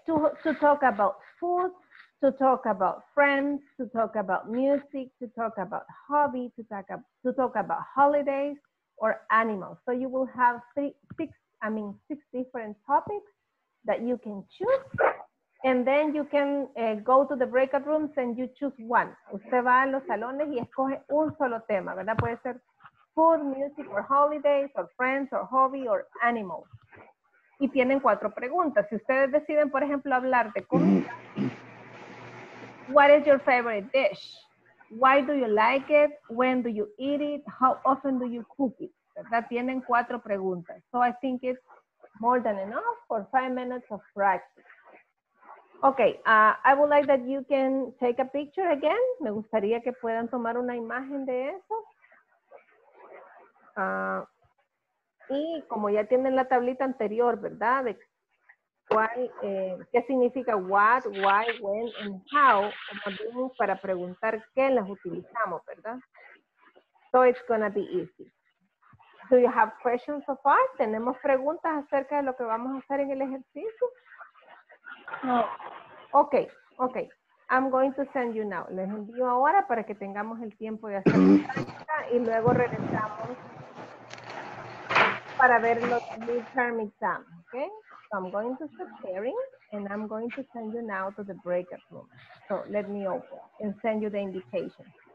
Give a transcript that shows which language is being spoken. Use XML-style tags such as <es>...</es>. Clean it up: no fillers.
<en>To talk about food, to talk about friends, to talk about music, to talk about hobby, to talk about holidays or animals. So you will have six different topics that you can choose. And then you can go to the breakout rooms and you choose one.</en> <es>Usted va a los salones y escoge un solo tema, ¿verdad? Puede ser</es> <en>food, music, or holidays, or friends, or hobby, or animals.</en> <es>Y tienen 4 preguntas. Si ustedes deciden, por ejemplo, hablar de comida,</es> <en>what is your favorite dish? Why do you like it? When do you eat it? How often do you cook it?</en> <es>¿Verdad? Tienen 4 preguntas.</es> <en>So I think it's more than enough for 5 minutes of practice. Okay, I would like that you can take a picture again.</en> <es>Me gustaría que puedan tomar una imagen de eso. Y como ya tienen la tablita anterior, ¿verdad? ¿Qué significa what, why, when, and how? Como vimos para preguntar qué las utilizamos, ¿verdad?</es> <en>So it's gonna be easy. Do you have questions so far?</en> <es>¿Tenemos preguntas acerca de lo que vamos a hacer en el ejercicio?</es> <en>No. Ok. I'm going to send you now.</en> <es>Les envío ahora para que tengamos el tiempo de hacer la práctica y luego regresamos para ver los midterm exams.</es> <en>Ok. So I'm going to stop sharing and I'm going to send you now to the breakout room. So let me open and send you the invitation.</en>